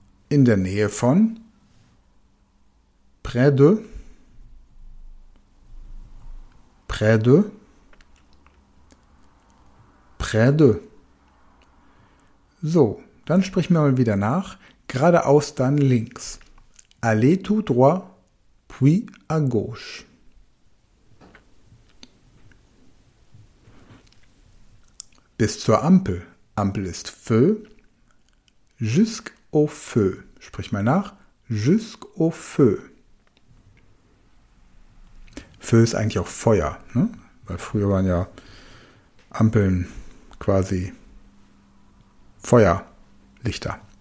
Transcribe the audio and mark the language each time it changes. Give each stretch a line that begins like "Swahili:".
German: in der Nähe von,
French: près de, près de, près de.
German: So, dann sprich mir mal wieder nach, geradeaus dann links.
French: Allez tout droit, puis à gauche.
German: Bis zur Ampel. Ampel ist feu,
French: jusqu'au feu.
German: Sprich mal nach,
French: jusqu'au feu.
German: Feu ist eigentlich auch Feuer, ne? Weil früher waren ja Ampeln quasi Feuerlichter.